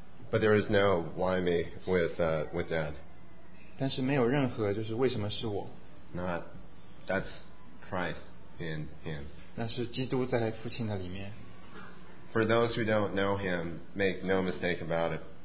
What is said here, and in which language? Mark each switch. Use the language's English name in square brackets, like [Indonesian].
[English] But there is no why me with Dad. [Chinese] 但是没有任何就是为什么是我。 [English] Not, that's Christ in him. [Chinese] 那是基督在父亲的里面。 [English] For those who don't know him, make no mistake about it.